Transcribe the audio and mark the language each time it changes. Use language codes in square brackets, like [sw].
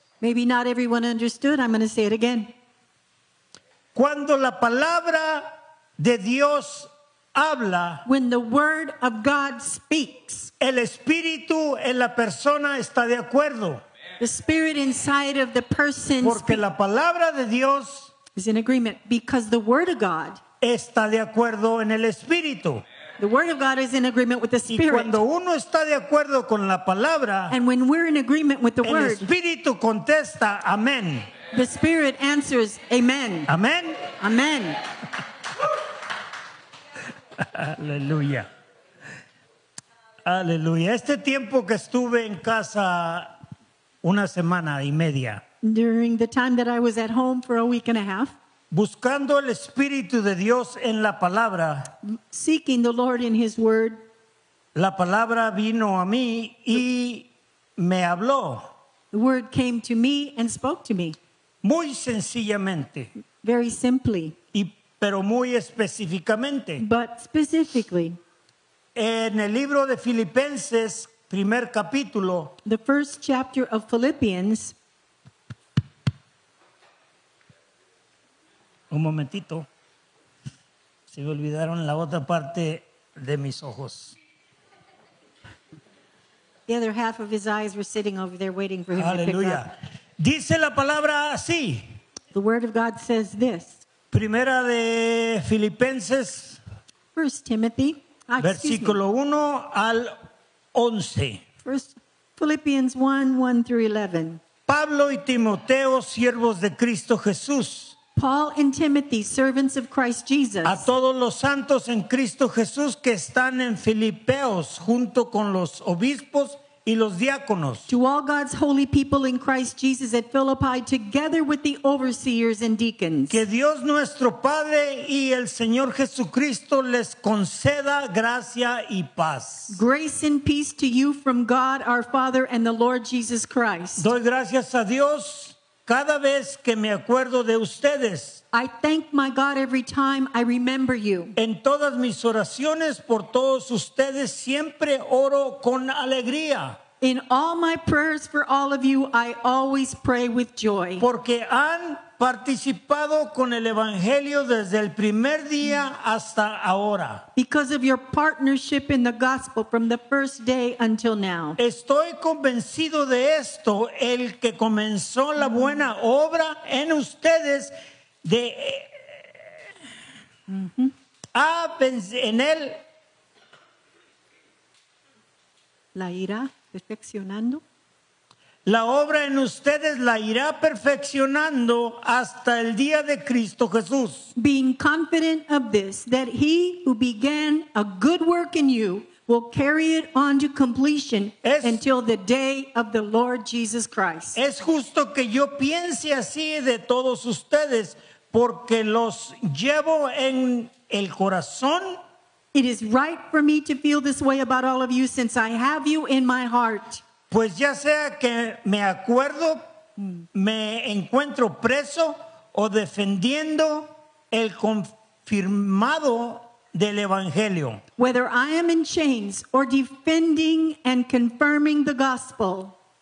[en] Maybe not everyone understood. I'm going to say it again. [es] Cuando la palabra de Dios habla, [en] when the word of God speaks, [es] el espíritu en la persona está de acuerdo. [en] The spirit inside of the person, [es] porque la palabra de Dios, [en] is in agreement because the word of God [es] está de acuerdo en el espíritu. [en] The word of God is in agreement with the spirit. [es] Y cuando uno está de acuerdo con la palabra, [en] and when we're in agreement with the [es] el [en] word, [es] el espíritu contesta, amén. [en] The spirit answers, amen. [es] Amén. [en] Amen. [es] Aleluya. Aleluya. Este tiempo que estuve en casa una semana y media. [en] During the time that I was at home for a week and a half. [es] Buscando el Espíritu de Dios en la palabra. [en] Seeking the Lord in his word. [es] La palabra vino a mí y me habló. [en] The word came to me and spoke to me. [es] Muy sencillamente. [en] Very simply. [es] Pero muy específicamente. [en] But specifically. [es] En el libro de Filipenses, primer capítulo. [en] The first chapter of Philippians. [es] Un momentito. Se me olvidaron la otra parte de mis ojos. [en] The other half of his eyes were sitting over there waiting for him. [es] Aleluya. [en] To pick up. [es] Dice la palabra así. [en] The word of God says this. [es] Primera de Filipenses, [en] First Timothy, [es] versículo 1 al 11. [en] First Philippians 1, 1 through 11. [es] Pablo y Timoteo, siervos de Cristo Jesús. [en] Paul and Timothy, servants of Christ Jesus. [es] A todos los santos en Cristo Jesús que están en Filipeos junto con los obispos y los diáconos. [en] To all God's holy people in Christ Jesus at Philippi, together with the overseers and deacons. [es] Que Dios nuestro Padre y el Señor Jesucristo les conceda gracia y paz. [en] Grace and peace to you from God our Father and the Lord Jesus Christ. [es] Doy gracias a Dios cada vez que me acuerdo de ustedes. [en] I thank my God every time I remember you. [es] En todas mis oraciones por todos ustedes siempre oro con alegría. [en] In all my prayers for all of you, I always pray with joy. [es] Porque han participado con el evangelio desde el primer día hasta ahora. [en] Because of your partnership in the gospel from the first day until now. [es] Estoy convencido de esto, el que comenzó la buena obra en ustedes de en él la irá perfeccionando. La obra en ustedes la irá perfeccionando hasta el día de Cristo Jesús. [en] Being confident of this, that he who began a good work in you will carry it on to completion until the day of the Lord Jesus Christ. [es] Es justo que yo piense así de todos ustedes porque los llevo en el corazón. [en] It is right for me to feel this way about all of you since I have you in my heart. [es] Pues ya sea que me acuerdo, me encuentro preso o defendiendo el confirmado del evangelio. [en] Whether I am in chains or defending and confirming the gospel.